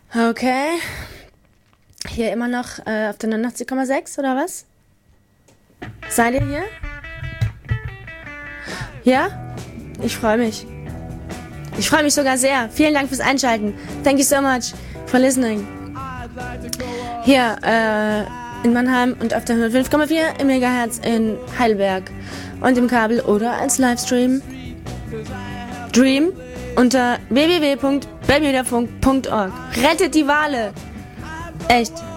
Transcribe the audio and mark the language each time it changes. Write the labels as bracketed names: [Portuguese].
[German] Okay. Hier immer noch auf der 89,6 oder was? Seid ihr hier? Ja? Ich freue mich. Ich freue mich sogar sehr. Vielen Dank fürs Einschalten. [English] Thank you so much for listening. [German] Hier in Mannheim und auf der 105,4 im Megahertz in Heidelberg und im Kabel oder als Livestream. Dream unter www.bermudafunk.org. Rettet die Wale! Echt.